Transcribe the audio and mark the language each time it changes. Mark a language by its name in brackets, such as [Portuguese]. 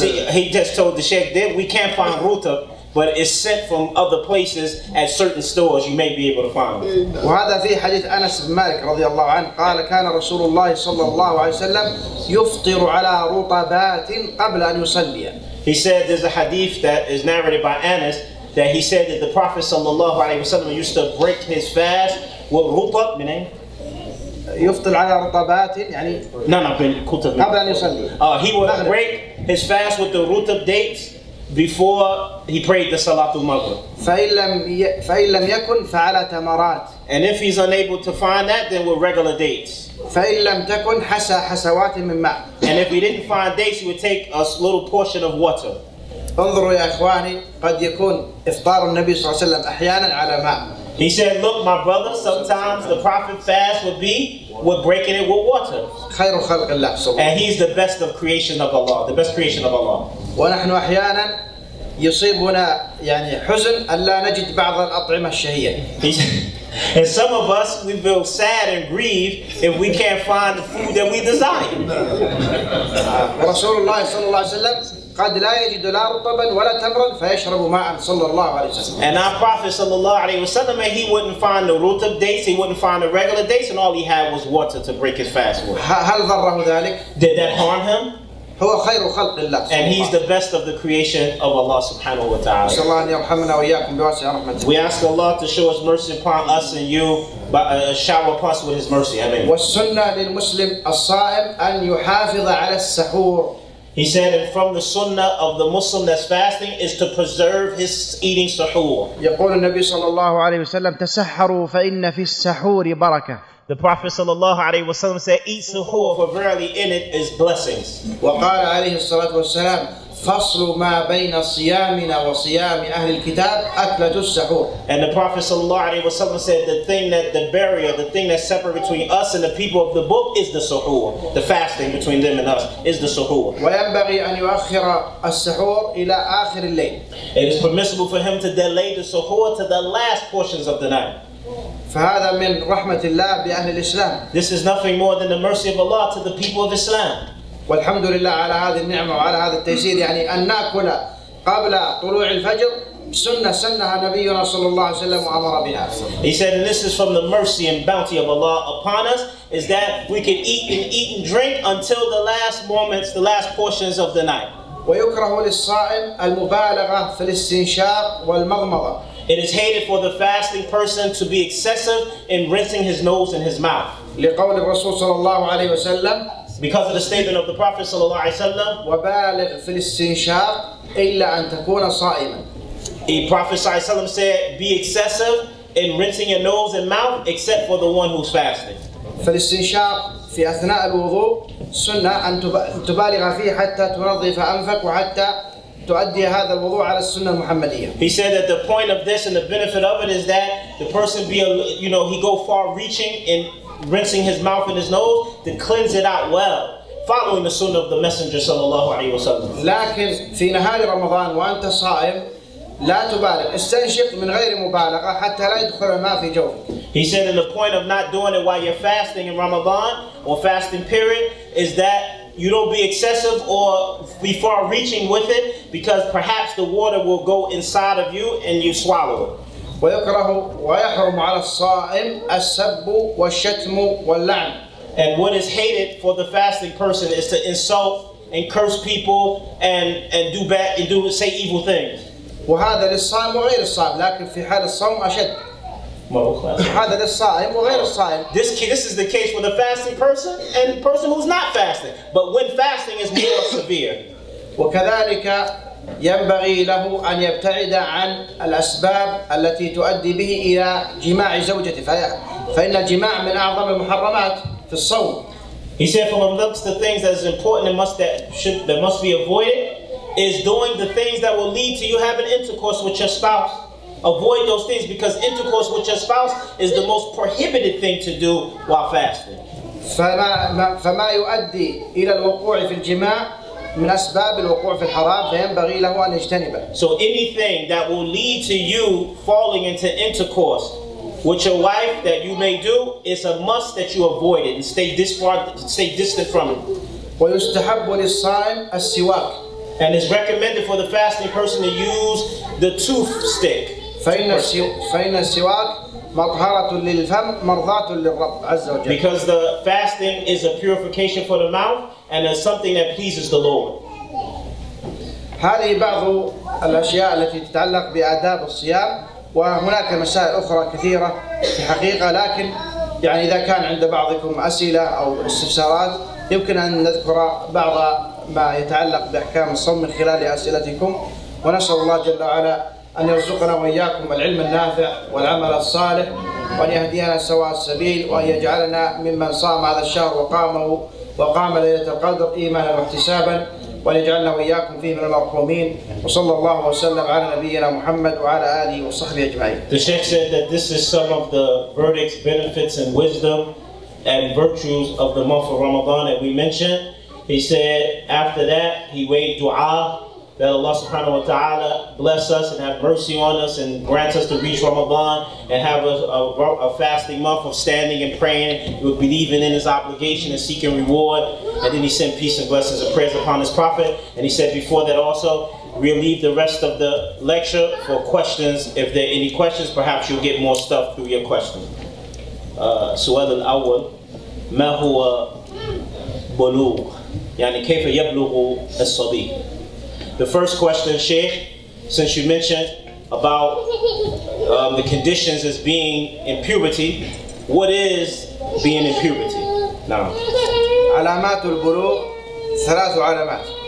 [English] He just told the sheikh that we can't find rutab, but it's sent from other places at certain stores. You may be able to find it. [Arabic] وهذا في حديث أنس بن مالك رضي الله عنه قال كان رسول الله صلى الله عليه وسلم يفطر على رطبات قبل أن يصلي. [English] He said there's a hadith that is narrated by Anas that he said that the Prophet [Arabic] صلى الله عليه وسلم [English] used to break his fast with rutab. Meaning? [Arabic] يفطر على رطبات يعني. No, بن كتب. قبل أن يصلي. [English] He would break his fast with the rutab dates. Before he prayed the Salatul Maghrib. [Arabic] فإن لم يكن فعلى تمرات. [English] And if he's unable to find that, then with regular dates. [Arabic] فإن لم تكن حسى حسوات من ماء. [English] And if he didn't find dates, he would take a little portion of water. [Arabic] انظروا يا إخواني قد يكون إفطار النبي صلى الله عليه وسلم أحيانا على ماء. [English] He said, look, my brother, sometimes the Prophet fast would be with breaking it with water. [Arabic] خير خلق الله صلى الله. [English] And he's the best of creation of Allah, the best creation of Allah. [Arabic] ونحن أحيانا يصيبنا يعني حزن أن لا نجد بعض الأطعمة الشهية. [English] And some of us, we feel sad and grieved if we can't find the food that we desire. [Arabic] رسول الله صلى الله عليه وسلم قد لا يجد لا رطبا ولا تمرا فيشرب ماء صلى الله عليه وسلم. [English] And our Prophet [Arabic] صلى الله عليه وسلم, [English] he wouldn't find the rutab dates, he wouldn't find the regular dates, and all he had was water to break his fast with. [Arabic] هل ضره ذلك? [English] Did that harm him? [Arabic] هو خير خلق الله. [English] And he's the best of the creation of Allah [Arabic] subhanahu wa ta'ala. نسأل الله أن يرحمنا وإياكم بواسع رحمته. [English] We ask Allah to show his mercy upon us and you, but shower upon us with his mercy. Amen. [Arabic] والسنة للمسلم الصائم أن يحافظ على السحور. [English] He said, and from the sunnah of the Muslim that's fasting is to preserve his eating sahur. [Arabic] يقول النبي صلى الله عليه وسلم تسحروا فإن في السحور بركة. [English] The Prophet [Arabic] صلى الله عليه وسلم [English] said, eat sahur for verily in it is blessings. [Arabic] وقال عليه الصلاة والسلام فصل ما بين صيامنا وصيام أهل الكتاب أكلة السحور. [English] And the Prophet [Arabic] صلى الله عليه وسلم [English] said, the thing that separates between us and the people of the book is the suhoor. The fasting between them and us is the suhoor. [Arabic] وينبغي أن يؤخر السحور إلى آخر الليل. [English] It is permissible for him to delay the suhoor to the last portions of the night. [Arabic] فهذا من رحمة الله بأهل الإسلام. [English] This is nothing more than the mercy of Allah to the people of Islam. [Arabic] والحمد لله على هذه النعمة وعلى هذا التيسير يعني أن نأكل قبل طلوع الفجر سنة سنها نبينا صلى الله عليه وسلم وأمر بها. [English] He said, and this is from the mercy and bounty of Allah upon us, is that we can eat and drink until the last moments, the last portions of the night. [Arabic] ويكره للصائم المبالغة في الاستنشاق والمغمضة. [English] It is hated for the fasting person to be excessive in rinsing his nose and his mouth. [Arabic] لقول الرسول صلى الله عليه وسلم. [English] Because of the statement of the Prophet [Arabic] صلى الله عليه وسلم. وبالغ في الاستنشاق إلا أن تكون صائما. [English] The Prophet [Arabic] صلى الله عليه وسلم [English] said, be excessive in rinsing your nose and mouth except for the one who's fasting. [Arabic] فالاستنشاق في أثناء الوضوء سنة أن تبالغ فيه حتى تنظف أنفك وحتى تؤدي هذا الوضوء على السنة المحمدية. [English] He said that the point of this and the benefit of it is that the person be, you know, he go far reaching in rinsing his mouth and his nose to cleanse it out well following the sunnah of the Messenger [Arabic] sallallahu alayhi wa sallam. لكن في نهار رمضان وأنت صائم لا تبالغ استنشق من غير مبالغة حتى لا يدخل ما في جوفك. [English] He said, and the point of not doing it while you're fasting in Ramadan or fasting period is that you don't be excessive or be far reaching with it, because perhaps the water will go inside of you and you swallow it. [Arabic] ويكره ويحرم على الصائم السب والشتم واللعن. [English] And what is hated for the fasting person is to insult and curse people and do bad and do say evil things. [Arabic] وهذا للصائم وغير الصائم لكن في حال الصوم أشد. هذا للصائم وغير الصائم. [English] This is the case for the fasting person and the person who's not fasting, but when fasting is more severe. [Arabic] وكذلك ينبغي له أن يبتعد عن الأسباب التي تؤدي به إلى جماع زوجته فإن الجماع من أعظم المحرمات في الصوم. [English] He said from amongst the things that is important and must be avoided is doing the things that will lead to you having intercourse with your spouse. Avoid those things because intercourse with your spouse is the most prohibited thing to do while fasting. [Arabic] فما يؤدي إلى الوقوع في الجماع من أسباب الوقوع في الحرام فينبغي له أن يجتنبه. [English] So anything that will lead to you falling into intercourse with your wife that you may do is a must that you avoid it and stay distant from it. [Arabic] ويستحب للصائم السواك. [English] And it's recommended for the fasting person to use the tooth stick. [Arabic] فإن السواك مطهرة للفم مرضاة للرب عز وجل. [English] Because the fasting is a purification for the mouth and is something that pleases the Lord. [Arabic] هذه بعض الأشياء التي تتعلق بآداب الصيام وهناك مسائل أخرى كثيرة في حقيقة لكن يعني إذا كان عند بعضكم أسئلة أو استفسارات يمكن أن نذكر بعض ما يتعلق بأحكام الصوم من خلال أسئلتكم ونسأل الله جل وعلا أن يرزقنا وإياكم العلم النافع والعمل الصالح وأن يهدينا سواء السبيل وأن يجعلنا ممن صام هذا الشهر وقام ليلة القدر إيمانا واحتسابا وأن يجعلنا وإياكم فيه من المرحومين وصلى الله وسلم على نبينا محمد وعلى آله وصحبه أجمعين. [English] The Sheikh said that this is some of the verdicts, benefits and wisdom and virtues of the month of Ramadan that we mentioned. He said after that he made dua that Allah [Arabic] subhanahu wa ta'ala [English] bless us and have mercy on us and grant us to reach Ramadan and have a fasting month of standing and praying with believing in his obligation and seeking reward. And then he sent peace and blessings and prayers upon his prophet. And he said before that also, we'll leave the rest of the lecture for questions. If there are any questions, perhaps you'll get more stuff through your question. [Arabic] Su'al al-awwal, ma huwa bulugh? يعني كيف يبلغ الصبي. [English] The first question, Sheikh, since you mentioned about the conditions as being in puberty, what is being in puberty? [Arabic] نعم. علامات البلوغ ثلاث علامات.